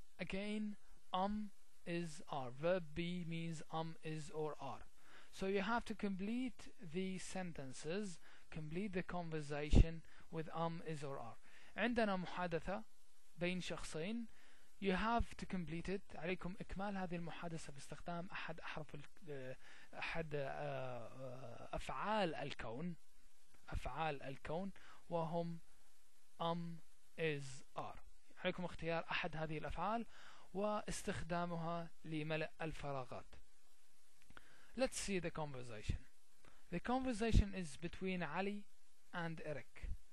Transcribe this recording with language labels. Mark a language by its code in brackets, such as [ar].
[en] Again, is, are. Verb be means is, or are. So you have to complete the sentences, complete the conversation with is, or are. [ar] عندنا محادثة بين شخصين. [en] You have to complete it. [ar] عليكم إكمال هذه المحادثة باستخدام أحد أحرف أحد أفعال الكون. أفعال الكون وهم is, are. عليكم اختيار أحد هذه الأفعال واستخدامها لملأ الفراغات. [en] Let's see the conversation. The conversation is between Ali and Eric.